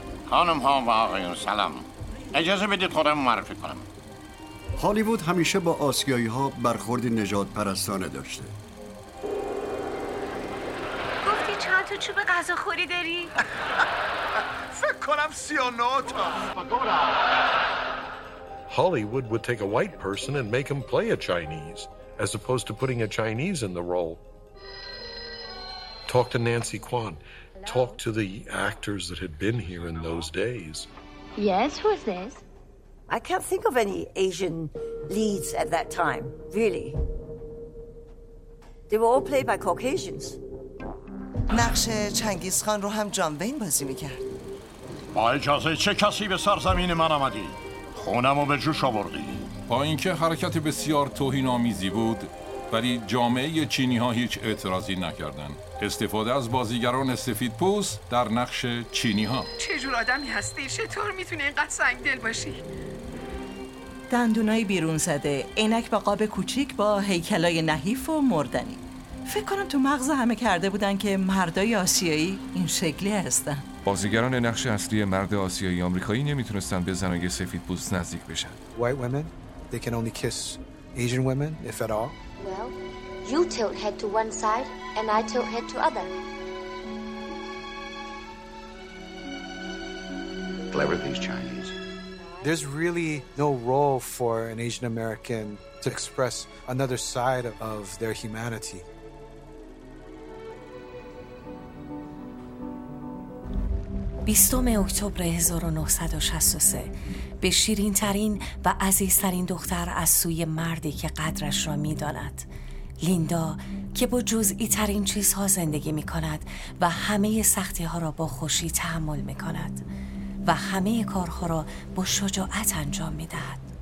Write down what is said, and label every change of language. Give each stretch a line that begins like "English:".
Persian: خانم ها و آقایون سلام، اجازه بدید خودم معرفی کنم. هالیوود همیشه با آسیایی ها برخورد نژاد پرستانه داشته. گفتی چند تا چوب غذاخوری داری؟ فکر کنم 39 تا.
English: Hollywood would take a white person and make him play a Chinese. as opposed to putting a Chinese in the role. Talk to Nancy Kwan. Talk to the actors that had been here in those days. Yes, who is this? I can't think of any Asian leads at that time, really. They were all played by Caucasians.
Persian: نقش چنگیز خان رو هم جان وین بازی میکرد. با اجازه چه کسی به سرزمین من آمدی؟ خونم رو به جوش آوردی؟ با اینکه حرکت بسیار توهین‌آمیزی بود، ولی جامعه چینی ها هیچ اعتراضی نکردن. استفاده از بازیگران سفید پوست در نقش چینی ها. چجور آدمی هستی؟ چطور میتونی اینقدر سنگ دل باشی؟ دندونای بیرون زده، عینک با قاب کوچیک با هیکلای نحیف و مردنی. فکر کنم تو مغز همه کرده بودن که مردای آسیایی این شکلی هستن. بازیگران نقش اصلی مرد آسیایی آمریکایی نمیتونستن به زنای سفیدپوست نزدیک بشن.
English: White women, they can only kiss Asian women if at all. Well, you tilt head to one side and I tilt head to other. Clever these Chinese. There's really no role for an Asian American to express another side of their humanity.
Persian: بیستم اکتبر 1963 به شیرین ترین و عزیزترین دختر از سوی مردی که قدرش را می داند، لیندا که با جزئی ترین چیزها زندگی می کند و همه سختی ها را با خوشی تحمل می کند و همه کارها را با شجاعت انجام می دهد.